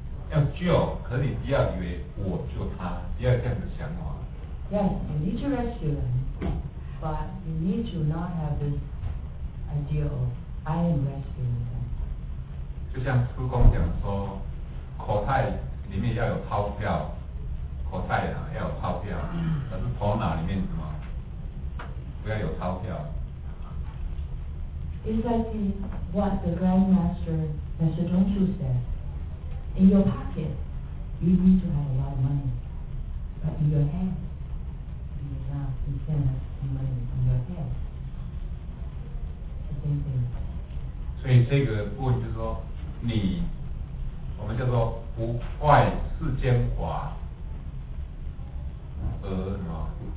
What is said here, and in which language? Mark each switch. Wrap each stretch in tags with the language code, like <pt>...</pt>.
<zh>要救，可是你不要以为我救他，不要这样子想啊。</zh> <en>Yes, you need to rescue them, but you need to not have this idea of I am rescuing them.</en> <zh>就像师公讲说，口袋里面要有钞票，口袋啊要有钞票，可是头脑里面什么？不要有钞票。</zh> <en>It's like what the Grand Master Master Zhong Shu said. In your pocket, you need to have a lot of money. But in your head, you need not to spend the money in your head. The same thing.</en> <zh>所以这个部分就是说，你，我们叫做不坏世间法，而什么？</zh>